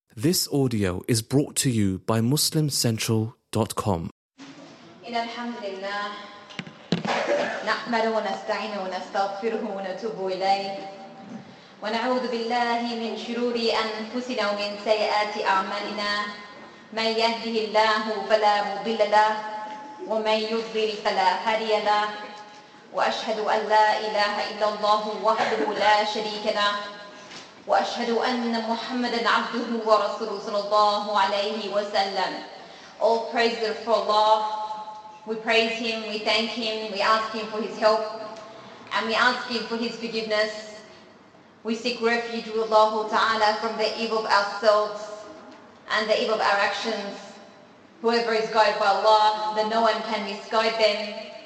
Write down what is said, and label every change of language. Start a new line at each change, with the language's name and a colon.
English: This audio is brought to you by MuslimCentral.com.
Arabic: إن الحمد لله نحمده ونستعينه ونستغفره ونتوب إليه ونعوذ بالله من شرور أنفسنا ومن سيئات أعمالنا من يهده الله فلا مضل له ومن يضلل فلا هادي له وأشهد أن لا إله إلا الله وحده لا شريك له وأشهد أن محمدًا عبده ورسوله صلى الله عليه وسلم.
English: All praise be for Allah. We praise Him, we thank Him, we ask Him for His help, and we ask Him for His forgiveness. We seek refuge with Allah Ta'ala from the evil of ourselves and the evil of our actions. Whoever is guided by Allah, then no one can misguide them.